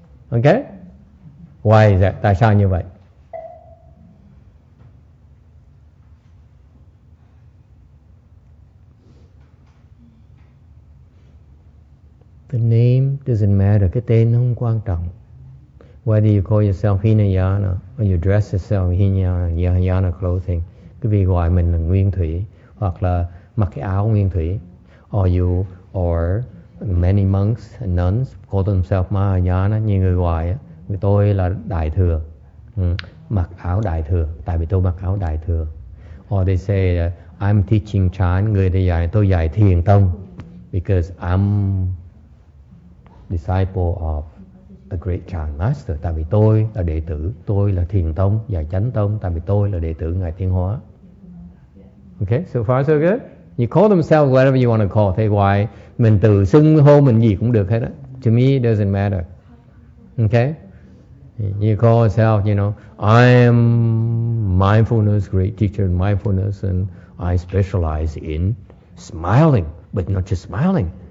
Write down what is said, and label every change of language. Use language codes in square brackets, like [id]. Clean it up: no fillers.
[en] Okay? Why is that? [vi] Tại sao như vậy? [en] The name doesn't matter. [vi] Cái tên nó không quan trọng. [en] Whether you call yourself Hinayana or you dress yourself Hinayana clothing. [vi] Cái vị gọi mình là nguyên thủy, hoặc là mặc cái áo nguyên thủy. [en] Or you, or many monks and nuns call themselves Mahayana, [vi] như người gọi, vì tôi là đại thừa, mặc áo đại thừa, tại vì tôi mặc áo đại thừa. [en] Or they say, I'm teaching Chan, [vi] người thì dạy, tôi dạy thiền tông, [en] because I'm disciple of a great Chan master, [vi] tại vì tôi là đệ tử, tôi là thiền tông, dạy chánh tông, tại vì tôi là đệ tử Ngài Thiên Hóa. [en] Okay, so far so good. You call themselves whatever you want to call. [vi] Thế gọi mình tự xưng hô mình gì cũng được hết á. [en] To me, it doesn't matter. Okay? You call yourself, I am mindfulness, great teacher in mindfulness, and I specialize in smiling, but not just smiling.